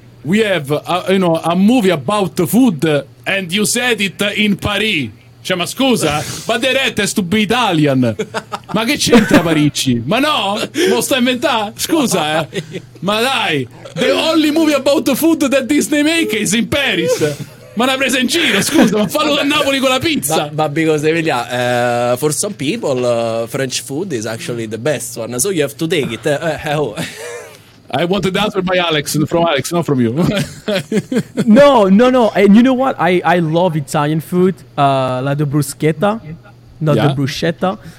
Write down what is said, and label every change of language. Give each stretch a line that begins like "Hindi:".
English: We have, you know, a movie about food, and you said it in Paris.
Italian: Cioè, ma scusa,
English: but the rat has to be Italian.
Italian: Ma che c'entra Parigi? Ma no, lo sta inventando. Scusa, ma dai,
English: the only movie about food that Disney make is in Paris.
Italian: Ma l'ha presa in giro, scusa, ma fallo da Napoli con la pizza.
English: But because, Emilia, for some people, French food is actually the best one, so you have to take it. I wanted the answer by Alex, from Alex, not from you. No. And you know what? I love Italian food, like the bruschetta, the bruschetta.